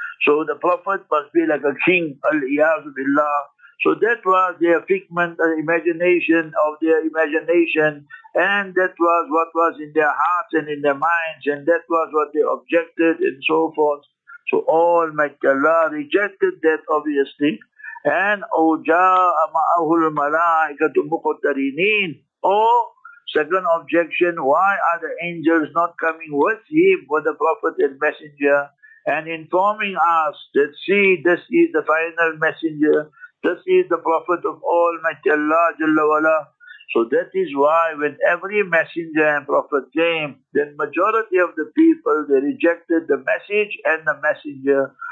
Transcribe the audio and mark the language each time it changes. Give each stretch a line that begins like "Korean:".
English: So the Prophet must be like a king, al-iyazu billah. So that was their figment, the imagination of their imagination, and that was what was in their hearts and in their minds, and that was what they objected and so forth. So Almighty Allah rejected that, obviously.
Arabic: And وَجَاءَ مَعَهُ الْمَلَائِكَةُ مُقْتَرِنِينَ.
English: Or second objection, why are the angels not coming with him, with the Prophet and Messenger, and informing us that, see, this is the final messenger, this is the Prophet of Almighty Allah Jalla Wala. So that is why when every messenger and prophet came, then majority of the people, they rejected the message and the messenger.